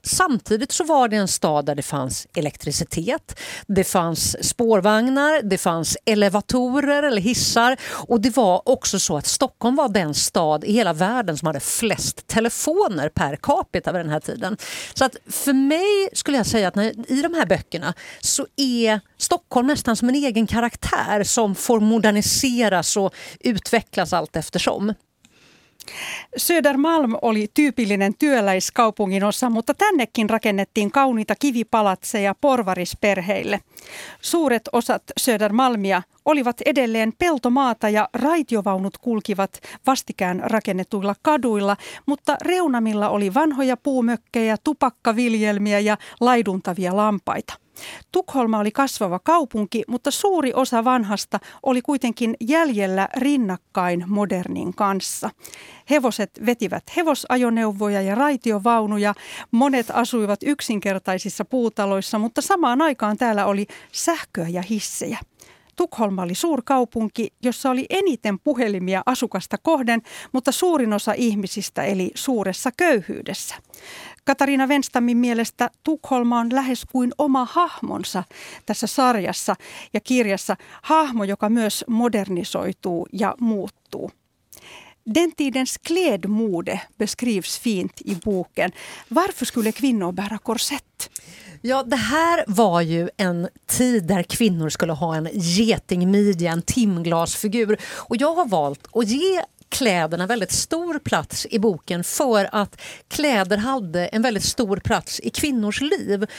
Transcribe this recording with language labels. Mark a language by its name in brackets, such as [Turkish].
[Swedish] Samtidigt så var det en stad där det fanns elektricitet, det fanns spårvagnar, det fanns elevatorer eller hissar, och det var också så att Stockholm var den stad i hela världen som hade flest telefoner per capita vid den här tiden. Så att för mig skulle jag säga att i de här böckerna så är Stockholm nästan som en egen karaktär som får moderniseras och utvecklas allt eftersom. [Finnish] Södermalm oli tyypillinen työläiskaupungin osa, mutta tännekin rakennettiin kauniita kivipalatseja porvarisperheille. Suuret osat Södermalmia olivat edelleen peltomaata ja raitiovaunut kulkivat vastikään rakennetuilla kaduilla, mutta reunamilla oli vanhoja puumökkejä, tupakkaviljelmiä ja laiduntavia lampaita. Tukholma oli kasvava kaupunki, mutta suuri osa vanhasta oli kuitenkin jäljellä rinnakkain modernin kanssa. Hevoset vetivät hevosajoneuvoja ja raitiovaunuja, monet asuivat yksinkertaisissa puutaloissa, mutta samaan aikaan täällä oli sähköä ja hissejä. Tukholma oli suurkaupunki, jossa oli eniten puhelimia asukasta kohden, mutta suurin osa ihmisistä eli suuressa köyhyydessä. Katariina Wenstamin mielestä Tukholma on lähes kuin oma hahmonsa tässä sarjassa ja kirjassa. Hahmo, joka myös modernisoituu ja muuttuu. [Swedish] Den tidens klädmode beskrivs fint i boken. Varför skulle kvinnor bära korsett? Ja, det här var ju en tid där kvinnor skulle ha en getingmidja, en timglasfigur. Och jag har valt att ge kläderna väldigt stor plats i boken för att kläder hade en väldigt stor plats i kvinnors liv.